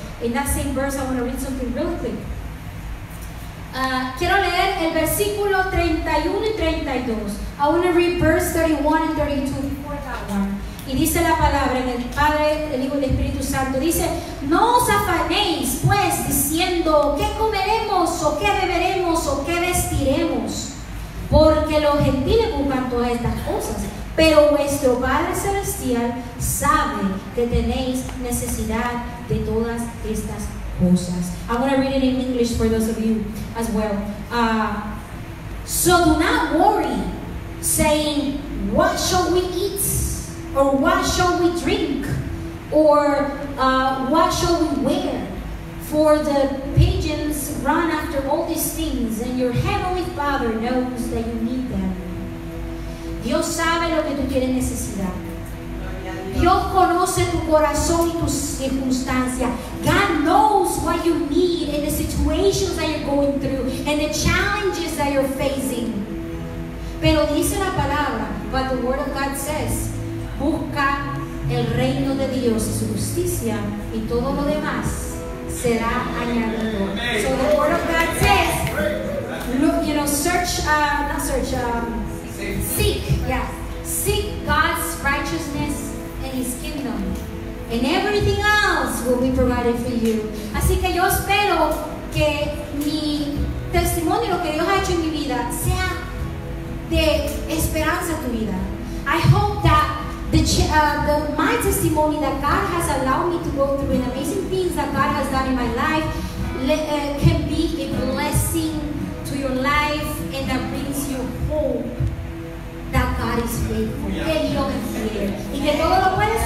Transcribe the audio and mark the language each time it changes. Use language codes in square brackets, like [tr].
[en] In that same verse, I want to read something really quick. [es] Quiero leer el versículo 31 y 32. [en] I want to read verse 31 and 32 before that one. [es] Y dice la palabra en el Padre, el Hijo y el Espíritu Santo. Dice, no os afanéis, pues, diciendo, ¿qué comeremos o qué beberemos o qué vestiremos? Porque los gentiles buscan todas estas cosas. Pero vuestro Padre Celestial sabe que tenéis necesidad de todas estas cosas. [en] I'm going to read it in English for those of you as well. So do not worry, saying, what shall we eat? Or what shall we drink? Or what shall we wear? For the pagans run after all these things, and your heavenly Father knows that you need them. [es] Dios sabe lo que tú tienes necesidad. Dios conoce tu corazón y tus circunstancias. [en] God knows what you need in the situations that you're going through and the challenges that you're facing. [es] Pero dice la palabra, [en] but the word of God says, [es] busca el reino de Dios y su justicia y todo lo demás será añadido. [en] So the word of God says, look, you know, seek God's righteousness and His kingdom, and everything else will be provided for you. [es] Así que yo espero que mi testimonio, lo que Dios ha hecho en mi vida, sea de esperanza a tu vida. [en] I hope that my testimony that God has allowed me to go through and amazing things that God has done in my life can be a blessing to your life, and that brings you hope that God is faithful. Yeah. [es] Que Dios es fiel. Y que todo lo puede.